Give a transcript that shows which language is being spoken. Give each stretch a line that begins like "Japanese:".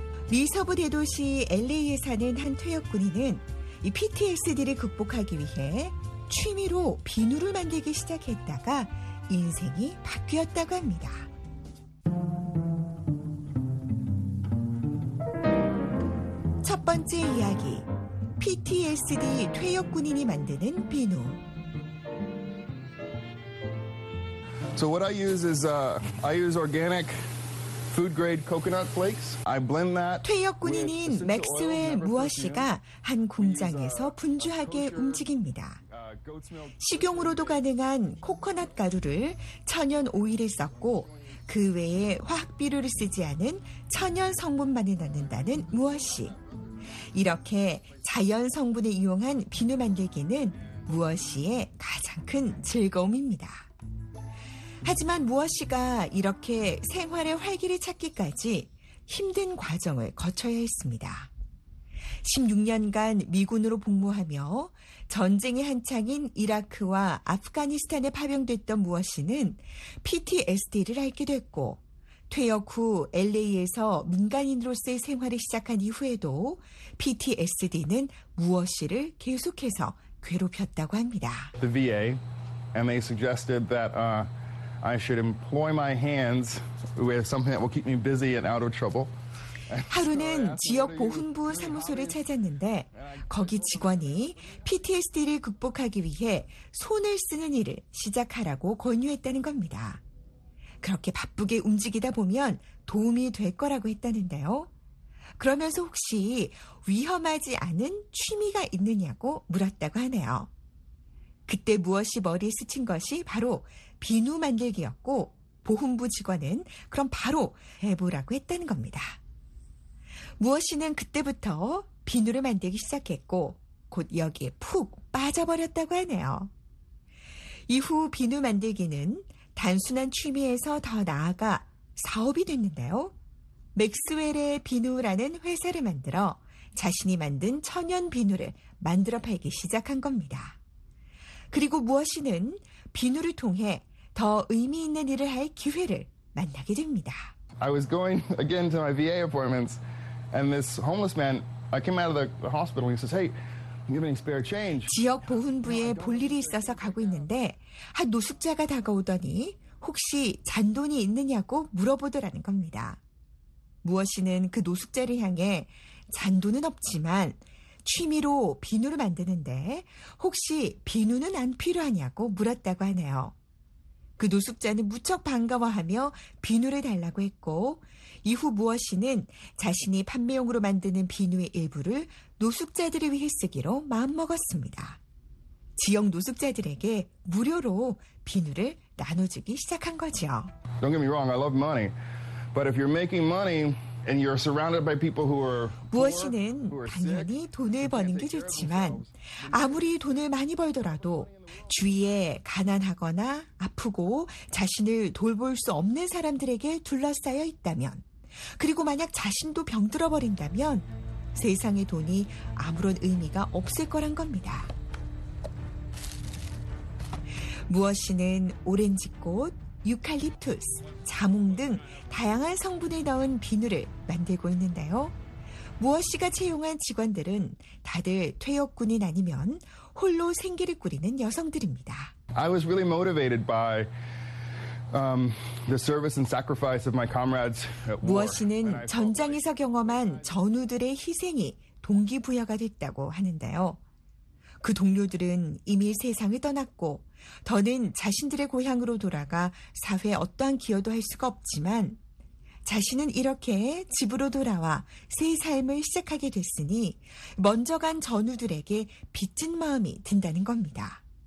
Korean: 미 서부 대도시 LA에 사는 한 퇴역 군인은 이 PTSD를 극복하기 위해 취미로 비누를 만들기 시작했다가 인생이 바뀌었다고 합니다. 첫 번째 이야기, PTSD 퇴역 군인이 만드는 비누.
English: So what I use is I use organic food grade coconut flakes. I blend that
Korean: 퇴역
English: with
Korean: 군인인
English: essential oil
Korean: 맥스웰
English: number 13.
Korean: 무어시가 한 공장에서 분주하게 움직입니다. 식용으로도 가능한 코코넛 가루를 천연 오일에 썼고, 그 외에 화학 비료를 쓰지 않은 천연 성분만을 넣는다는 무어시. 이렇게 자연 성분을 이용한 비누 만들기는 무엇이의 가장 큰 즐거움입니다. 하지만 무엇이가 이렇게 생활의 활기를 찾기까지 힘든 과정을 거쳐야 했습니다. 16년간 미군으로 복무하며 전쟁이 한창인 이라크와 아프가니스탄에 파병됐던 무엇이는 PTSD를 앓게 됐고, 퇴역 후 LA에서 민간인으로서의 생활을 시작한 이후에도 PTSD는 무엇이를 계속해서 괴롭혔다고 합니다.
English: The VA and they suggested that I should employ my hands with something that will keep me busy and out of trouble.
Korean: 하루는 지역 보훈부 사무소를 찾았는데 거기 직원이 PTSD를 극복하기 위해 손을 쓰는 일을 시작하라고 권유했다는 겁니다. 그렇게 바쁘게 움직이다 보면 도움이 될 거라고 했다는데요. 그러면서 혹시 위험하지 않은 취미가 있느냐고 물었다고 하네요. 그때 무엇이 머리에 스친 것이 바로 비누 만들기였고 보훈부 직원은 그럼 바로 해보라고 했다는 겁니다. 무엇이는 그때부터 비누를 만들기 시작했고 곧 여기에 푹 빠져버렸다고 하네요. 이후 비누 만들기는 단순한 취미에서 더 나아가 사업이 됐는데요. 맥스웰의 비누라는 회사를 만들어 자신이 만든 천연 비누를 만들어 팔기 시작한 겁니다. 그리고 무엇이는 비누를 통해 더 의미 있는 일을 할 기회를 만나게 됩니다.
English: I was going again to my VA appointments. And this homeless man, I came out of the hospital and he says, hey, you have any spare change?
Korean: 지역 보훈부에 볼 일이 있어서 가고 있는데 한 노숙자가 다가오더니 혹시 잔돈이 있느냐고 물어보더라는 겁니다. 무엇이는 그 노숙자를 향해 잔돈은 없지만 취미로 비누를 만드는데 혹시 비누는 안 필요하냐고 물었다고 하네요. 그 노숙자는 무척 반가워하며 비누를 달라고 했고 이후 무엇이는 자신이 판매용으로 만드는 비누의 일부를 노숙자들을 위해 쓰기로 마음먹었습니다. 지역 노숙자들에게 무료로 비누를 나눠주기 시작한 거죠.
English: Don't get me wrong, I love money. But if you're making money and you're surrounded by people who are
Korean: 무엇이는 당연히 돈을 버는 게 좋지만 아무리 돈을 많이 벌더라도 주위에 가난하거나 아프고 자신을 돌볼 수 없는 사람들에게 둘러싸여 있다면 그리고 만약 자신도 병들어 버린다면 세상의 돈이 아무런 의미가 없을 거란 겁니다. 무엇이는 오렌지꽃, 유칼립투스, 자몽 등 다양한 성분을 넣은 비누를 만들고 있는데요. 무엇이가 채용한 직원들은 다들 퇴역군인 아니면 홀로 생계를 꾸리는 여성들입니다.
English: I was really motivated by the service and sacrifice of my comrades at war.
Korean: 무엇이는 전장에서 경험한 전우들의 희생이 동기부여가 됐다고 하는데요. 그 동료들은 이미 세상을 떠났고 더는 자신들의 고향으로 돌아가 사회에 어떠한 기여도 할 수가 없지만 자신은 이렇게 집으로 돌아와 새 삶을 시작하게 됐으니 먼저 간 전우들에게 빚진 마음이 든다는 겁니다.